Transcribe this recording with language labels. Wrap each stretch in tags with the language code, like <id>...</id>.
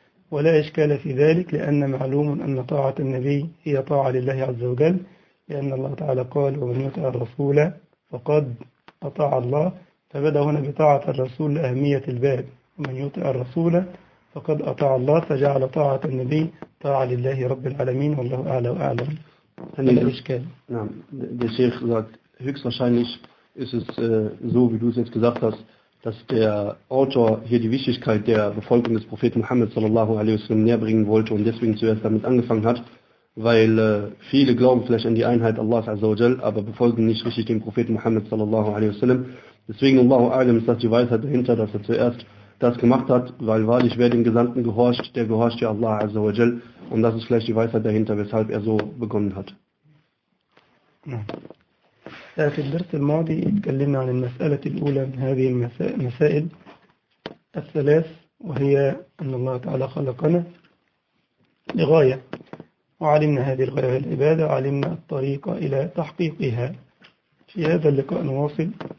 <ar>ولا إشكال في ذلك لأن معلوم أن طاعة النبي هي طاعة لله عز وجل لأن الله تعالى قال ومن يطع الرسول فقد أطاع الله فبدأ هنا بطاعة الرسول لأهمية الباب ومن يطع الرسول فقد أطاع الله فجعل طاعة النبي طاعة لله رب العالمين والله أعلى وأعلم هل الإشكال</ar> <de>نعم der Sheikh sagt höchstwahrscheinlich ist es so, wie du es jetzt gesagt hast, dass der Autor hier die Wichtigkeit der Befolgung des Propheten Muhammad sallallahu alaihi wasallam näherbringen wollte und deswegen zuerst damit angefangen hat, weil viele glauben vielleicht an die Einheit Allahs azzawajal, aber befolgen nicht richtig den Propheten Muhammad sallallahu alaihi wasallam. Deswegen, Allahu a'lam, ist das die Weisheit dahinter, dass er zuerst das gemacht hat, weil wahrlich, wer dem Gesandten gehorcht, der gehorcht ja Allah azzawajal und das ist vielleicht die Weisheit dahinter, weshalb er so begonnen hat.</de> <ar>في الدرس الماضي تكلمنا عن المسألة الأولى من هذه المسائل الثلاث وهي أن الله تعالى خلقنا لغاية وعلمنا هذه الغاية العبادة وعلمنا الطريقة إلى تحقيقها في هذا اللقاء نواصل</ar>